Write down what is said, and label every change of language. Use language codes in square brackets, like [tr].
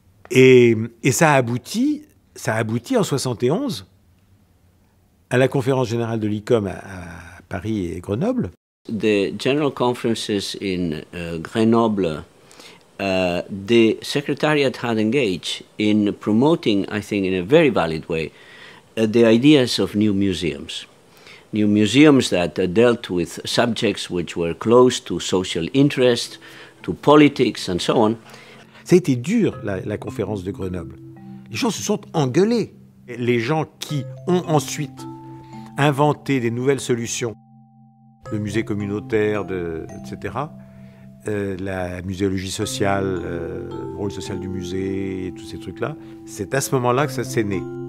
[fr] Et ça a abouti en 71 à la conférence générale de l'ICOM à Paris et Grenoble. [en] The general conferences in Grenoble, the secretariat had engaged in promoting, I think, in a very valid way, the ideas of new museums. New museums that dealt with subjects which were close to social interest, to politics, and so on. [fr] Ça a été dur, la conférence de Grenoble. Les gens se sont engueulés. Les gens qui ont ensuite inventé des nouvelles solutions, le musée communautaire, etc., la muséologie sociale, le rôle social du musée, et tous ces trucs-là, c'est à ce moment-là que ça s'est né.